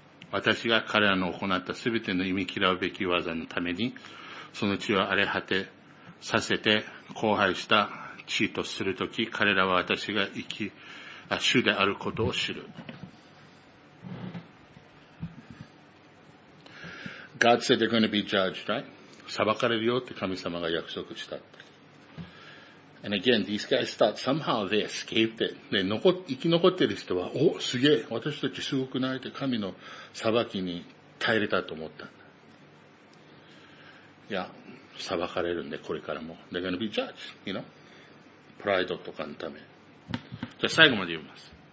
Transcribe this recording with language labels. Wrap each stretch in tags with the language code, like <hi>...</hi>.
<ja>私が彼らの行ったすべての忌み嫌うべき技のために、その血を荒れ果てさせて、荒廃した地とするとき、彼らは私が主であることを知る。</ja> <en>God said they're going to be judged, right?</en> <ja>裁かれるよって神様が約束した。</ja> <en>And again, these guys thought somehow they escaped it.</en> <ja>で、生き残ってる人は、お、すげえ、私たちすごくないって神の裁きに耐えれたと思った。いや、裁かれるんで、これからも。</ja> <en>They're going to be judged, you know?</en> <ja>プライドとかのため。じゃあ最後まで言います。</ja>